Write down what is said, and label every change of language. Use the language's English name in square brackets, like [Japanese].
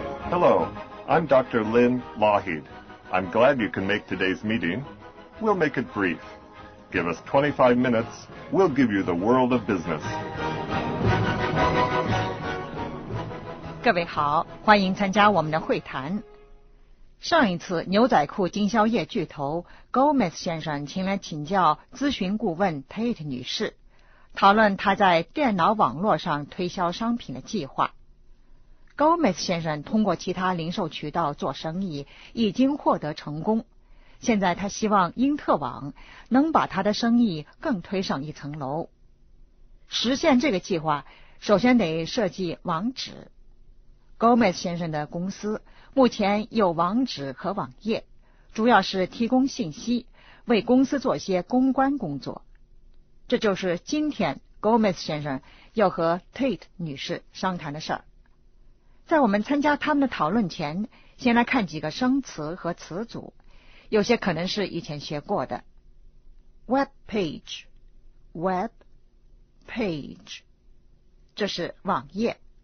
[English] Hello, I'm Dr. Lynn Lougheed. I'm glad you can make today's meeting. We'll make it brief. Give us 25 minutes. We'll give you the world of business. [Chinese] 各位好，欢迎参加我们的会谈。上一次牛仔裤经销业巨头 Gomez 先生前来请教咨询顾问 Tate 女士，讨论她在电脑网络上推销商品的计划。 Gomez 先生通过其他零售渠道做生意已经获得成功，现在他希望英特网能把他的生意更推上一层楼。实现这个计划，首先得设计网址。 Gomez 先生的公司目前有网址和网页，主要是提供信息，为公司做些公关工作。这就是今天 Gomez 先生要和 Tate 女士商谈的事儿。在我们参加他们的讨论前，先来看几个生词和词组，有些可能是以前学过的。 [English] Web page, web page, [Chinese] 这是网页。